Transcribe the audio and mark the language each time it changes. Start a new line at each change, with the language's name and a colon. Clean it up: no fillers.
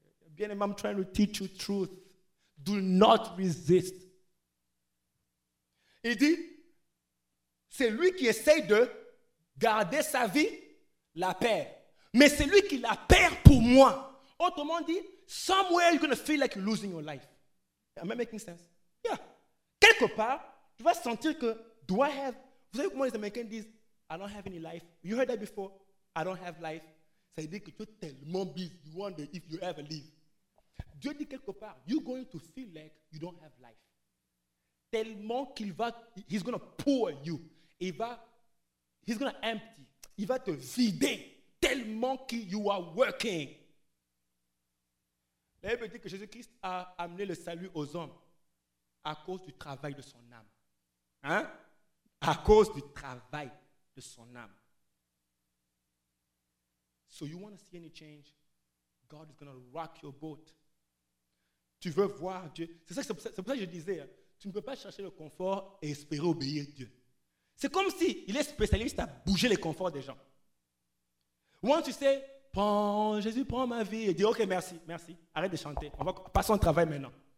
French: Bien-aimé,
English: I'm trying to teach you truth. Do not resist.
French: Il dit, c'est lui qui essaye de garder sa vie, la perd. Mais c'est lui qui la perd pour moi. Autrement dit,
English: somewhere you're going to feel like you're losing your life. Am I making sense? Yeah.
French: Quelque part, tu vas sentir que,
English: do I have...
French: Vous savez comment les Américains disent,
English: I don't have any life. You heard that before? I don't have life.
French: Ça veut dire que tu es tellement busy,
English: you wonder if you ever live.
French: Dieu dit quelque part,
English: you're going to feel like you don't have life.
French: Tellement qu'il va,
English: he's going to pour you. He's going to empty.
French: Il va te vider. Tellement que
English: you are working.
French: La Bible dit que Jésus-Christ a amené le salut aux hommes à cause du travail de son âme. Hein? À cause du travail de son âme.
English: So you want to see any change? God is going to rock your boat.
French: Tu veux voir Dieu? C'est pour ça que je disais, hein? Tu ne peux pas chercher le confort et espérer obéir Dieu. C'est comme si il est spécialiste à bouger les conforts des gens.
English: Once you say,
French: prends, Jésus prend ma vie, et dis, ok, merci, arrête de chanter, on va passer au travail maintenant.